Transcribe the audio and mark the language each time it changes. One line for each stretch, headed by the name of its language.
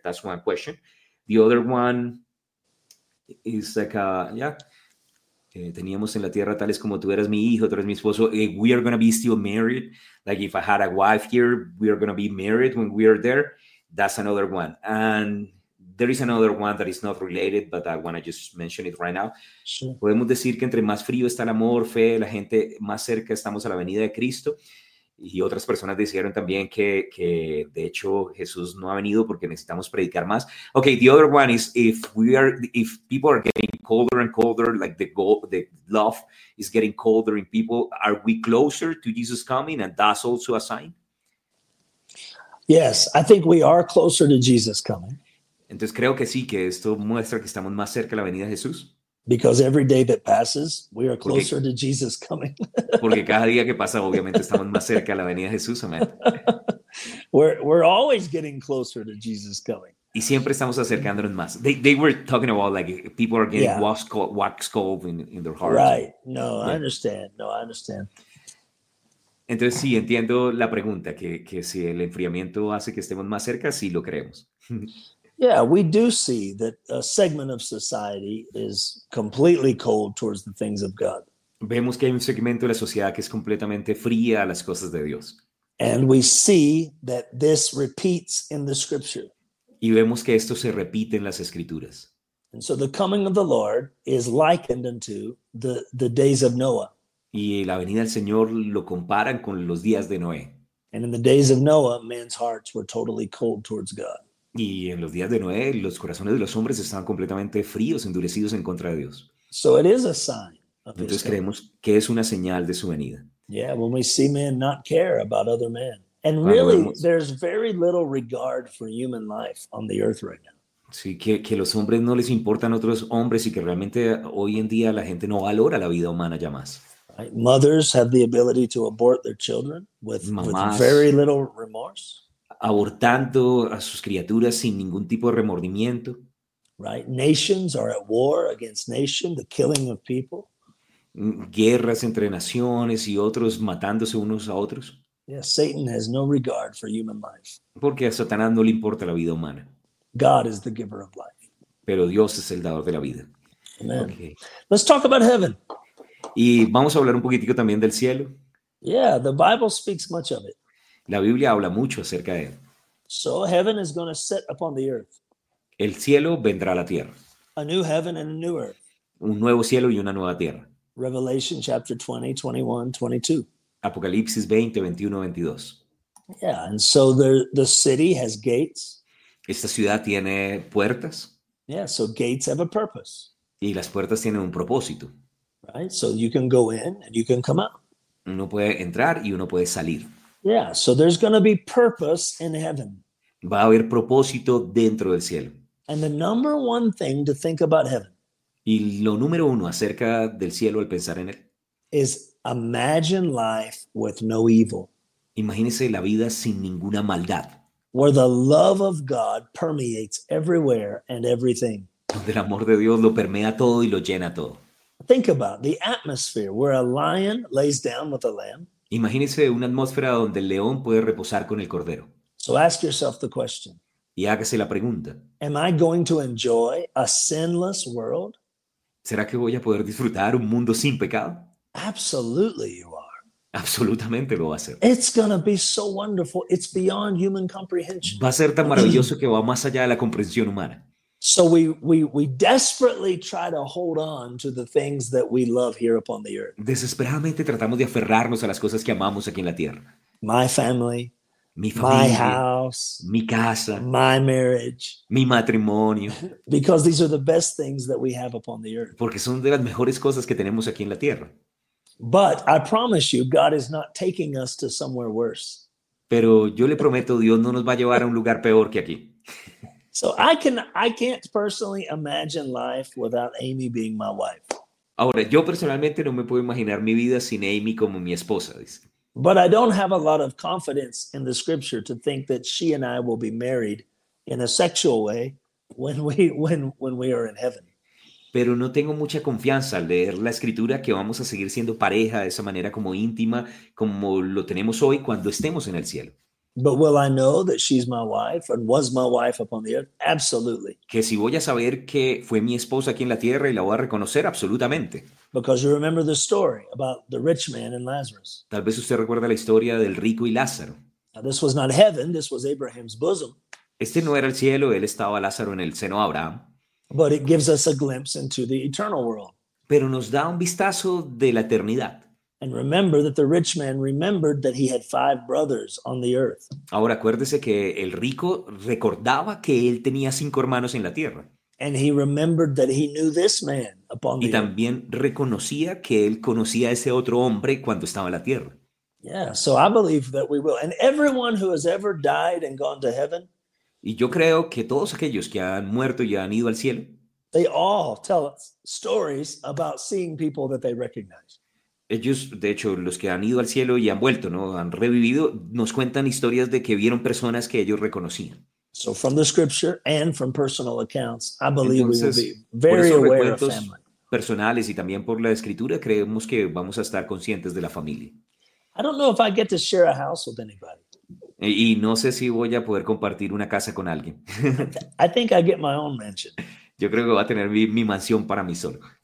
English: That's one question. The other one is
Spanish: teníamos en la tierra tales como tú eras mi hijo, tú eras mi esposo.
English: We are going to be still married. Like if I had a wife here, we are going to be married when we are there. That's another one. And there is another one that is not related, but I want to just mention it right now. Sure.
Spanish: Podemos decir que entre más frío está el amor, fe, la gente más cerca estamos a la venida de Cristo. Y otras personas dijeron también que de hecho Jesús no ha venido porque necesitamos predicar más.
English: Okay, the other one is if people are getting colder and colder, like the love is getting colder in people, are we closer to Jesus coming? And that's also a sign? Yes, I think we are closer to Jesus coming.
Spanish: Entonces creo que sí, que esto muestra que estamos más cerca de la venida de Jesús.
English: Because every day that passes, we are closer to Jesus coming.
Spanish: Porque cada día que pasa, obviamente, estamos más cerca de la venida de Jesús. Amén.
English: We're always getting closer to Jesus coming.
Spanish: Y siempre estamos acercándonos más.
English: They were talking about like people are getting wax cold in their hearts. Right. No, yeah. I understand. No, I understand.
Spanish: Entonces sí, entiendo la pregunta, que si el enfriamiento hace que estemos más cerca, sí lo creemos.
English: Yeah, we do see that a segment of society is completely cold towards the things of God.
Spanish: Vemos que hay un segmento de la sociedad que es completamente fría a las cosas de Dios.
English: And we see that this repeats in the scripture.
Spanish: Y vemos que esto se repite en las escrituras.
English: And so the coming of the Lord is likened unto the days of Noah.
Spanish: Y la venida del Señor lo comparan con los días de Noé.
English: And in the days of Noah, men's hearts were totally cold towards God.
Spanish: Y en los días de Noé, los corazones de los hombres estaban completamente fríos, endurecidos en contra de Dios.
English: So it is a sign.
Spanish: Entonces creemos que es una señal de su venida.
English: Yeah, when we see men not care about other men. And really, there's very little regard for human life on the earth right now.
Spanish: Sí, que los hombres no les importan otros hombres y que realmente hoy en día la gente no valora la vida humana ya más.
English: Right? Mothers have the ability to abort their children with very little remorse.
Spanish: Abortando a sus criaturas sin ningún tipo de remordimiento.
English: Right? Nations are at war against nation, the killing of people.
Spanish: Guerras entre naciones y otros matándose unos a otros.
English: Yeah, Satan has no regard for human life.
Spanish: Porque a Satanás no le importa la vida humana.
English: God is the giver of life.
Spanish: Pero Dios es el dador de la vida.
English: Amen. Okay. Let's talk about heaven.
Spanish: Y vamos a hablar un poquitico también del cielo.
English: Yeah, the Bible speaks much of it.
Spanish: La Biblia habla mucho acerca de él.
English: So heaven is going to set upon the earth.
Spanish: El cielo vendrá a la tierra.
English: A new heaven and a new earth.
Spanish: Un nuevo cielo y una nueva tierra.
English: Revelation chapter 20, 21, 22.
Spanish: Apocalipsis 20, 21, 22.
English: Yeah, and so the city has gates.
Spanish: Esta ciudad tiene puertas.
English: Yeah, so gates have a purpose.
Spanish: Y las puertas tienen un propósito.
English: Right, so you can go in and you can come out.
Spanish: Uno puede entrar y uno puede salir.
English: Yeah, so there's going to be purpose in heaven.
Spanish: Va a haber propósito dentro del cielo.
English: And the number one thing to think about heaven.
Spanish: Y lo número uno acerca del cielo al pensar en él.
English: Is imagine life with no evil.
Spanish: Imagínese la vida sin ninguna maldad.
English: Where the love of God permeates everywhere and everything.
Spanish: Donde el amor de Dios lo permea todo y lo llena todo.
English: Think about the atmosphere where a lion lays down with a lamb.
Spanish: Imagínese una atmósfera donde el león puede reposar con el cordero.
English: So ask yourself the question.
Spanish: Y hágase la pregunta.
English: Am I going to enjoy a sinless world?
Spanish: ¿Será que voy a poder disfrutar un mundo sin pecado?
English: Absolutely you are.
Spanish: Absolutamente lo va a hacer.
English: It's going to be so wonderful. It's beyond human comprehension.
Spanish: Va a ser tan maravilloso que va más allá de la comprensión humana.
English: So we desperately try to hold on to the things that we love here upon the earth.
Spanish: Desesperadamente tratamos de aferrarnos a las cosas que amamos aquí en la tierra.
English: My family.
Spanish: Mi familia.
English: My house.
Spanish: Mi casa.
English: My marriage.
Spanish: Mi matrimonio.
English: Because these are the best things that we have upon the earth.
Spanish: Porque son de las mejores cosas que tenemos aquí en la tierra.
English: But I promise you, God is not taking us to somewhere worse.
Spanish: Pero yo le prometo, Dios no nos va a llevar a un lugar peor que aquí.
English: So I can't personally imagine life without Amy being my wife.
Spanish: Ahora, yo personalmente no me puedo imaginar mi vida sin Amy como mi esposa, dice.
English: But I don't have a lot of confidence in the scripture to think that she and I will be married in a sexual way when we are in heaven.
Spanish: Pero no tengo mucha confianza al leer la escritura que vamos a seguir siendo pareja de esa manera como íntima como lo tenemos hoy cuando estemos en el cielo.
English: But will I know that she's my wife and was my wife upon the earth? Absolutely.
Spanish: Que si voy a saber que fue mi esposa aquí en la tierra y la voy a reconocer, absolutamente.
English: Because you remember the story about the rich man and Lazarus.
Spanish: Tal vez usted recuerda la historia del rico y Lázaro.
English: Now, this was not heaven, this was Abraham's bosom.
Spanish: Este no era el cielo, él estaba Lázaro en el seno de Abraham.
English: But it gives us a glimpse into the eternal world.
Spanish: Pero nos da un vistazo de la eternidad.
English: And remember that the rich man remembered that he had five brothers on the earth.
Spanish: Ahora acuérdese que el rico recordaba que él tenía cinco hermanos en la tierra.
English: And he remembered that he knew this man upon the
Spanish: earth. Y también reconocía que él conocía a ese otro hombre cuando estaba en la tierra.
English: Yeah, so I believe that we will. And everyone who has ever died and gone to heaven.
Spanish: Y yo creo que todos aquellos que han muerto y han ido al cielo.
English: They all tell stories about seeing people that they recognize.
Spanish: Ellos, de hecho, los que han ido al cielo y han vuelto, ¿no? Han revivido, nos cuentan historias de que vieron personas que ellos reconocían.
English: So from the scripture and from personal accounts, I believe we will be very aware of family.
Spanish: Personales y también por la escritura, creemos que vamos a estar conscientes de la familia.
English: I don't know if I get to share a house with anybody.
Spanish: Y no sé si voy a poder compartir una casa con alguien.
English: I think I get my own mansion.
Spanish: Yo creo que voy a tener mi mansión para mí solo.